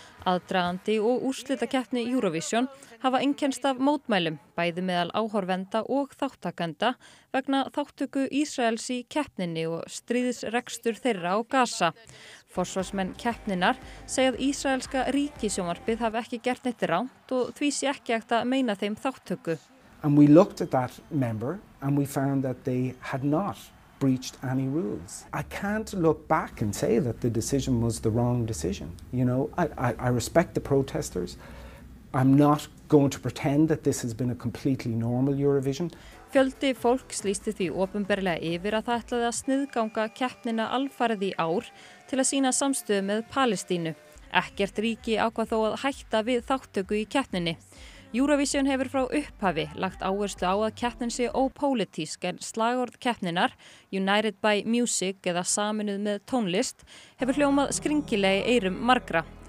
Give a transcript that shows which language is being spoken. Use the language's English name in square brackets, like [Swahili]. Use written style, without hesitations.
[Icelandic] Aðdragandi og úrslitakeppni Eurovision hafa einkennst af mótmælum, bæði meðal áhorfenda og þáttakenda vegna þáttöku Ísraels í keppninni og stríðsrekstur þeirra á Gaza. Forsvarsmenn keppninar segja að ísraelska ríkisjónvarpið hafi ekki gert neitt rangt og því sé ekki hægt að meina þeim þáttöku. [English] And we looked at that member and we found that they had not breached any rules. I can't look back and say that the decision was the wrong decision. You know, I respect the protesters. I'm not going to pretend that this has been a completely normal Eurovision. [Icelandic] Fjöldi fólks lýsti því opinberlega yfir að það ætlaði að sniðganga keppnina alfarið í ár til að sýna samstöðu með Palestínu. Ekkert ríki ákvað þó að hætta við þáttöku í keppninni. Eurovision hefur frá upphafi lagt áherslu á að keppnin sé ópólitísk en slagorð keppninar, [English] United by Music [Icelandic] eða Sameinuð með tónlist, hefur hljómað skringilega í eyrum margra.